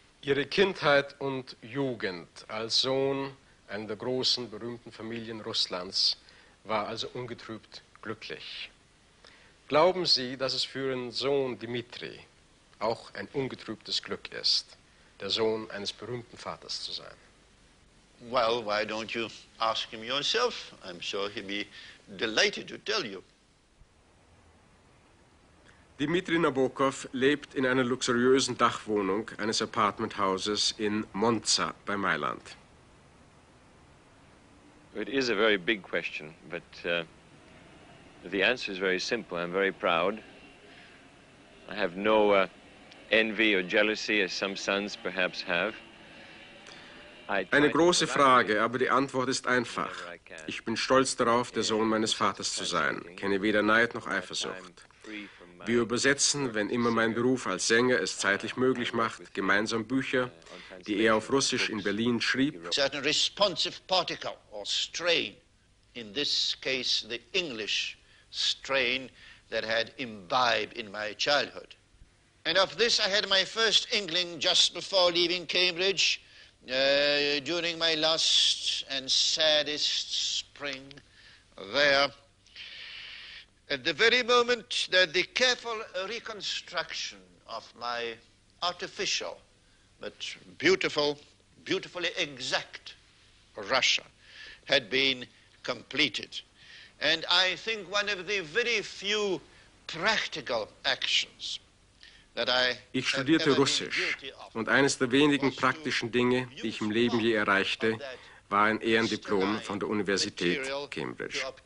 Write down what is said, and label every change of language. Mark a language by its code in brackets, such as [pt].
[de] Ihre Kindheit und Jugend als Sohn einer der großen, berühmten Familien Russlands war also ungetrübt glücklich. Glauben Sie, dass es für Ihren Sohn Dimitri auch ein ungetrübtes Glück ist, der Sohn eines berühmten Vaters zu sein? [en] Well, why don't you ask him yourself? I'm sure he'd be delighted to tell you. Dimitri Nabokov lebt in einer luxuriösen Dachwohnung eines Apartmenthauses in Monza bei Mailand. It is a very big question, but the answer is very simple. I'm very proud. I have no envy or jealousy, as some sons perhaps have. [de] Eine große Frage, aber die Antwort ist einfach. Ich bin stolz darauf, der Sohn meines Vaters zu sein, kenne weder Neid noch Eifersucht. Wir übersetzen, wenn immer mein Beruf als Sänger es zeitlich möglich macht, gemeinsam Bücher, die er auf Russisch in Berlin schrieb. [en] A certain responsive particle or strain, in this case the English strain that had imbibed in my childhood. And of this I had my first inkling just before leaving Cambridge, during my last and saddest spring there. At the very moment that the careful reconstruction of my artificial, but beautiful, beautifully exact Russia had been completed. And I think one of the very few practical actions [de] ich studierte Russisch und eines der wenigen praktischen Dinge, die ich im Leben je erreichte, war ein Ehrendiplom von der Universität Cambridge.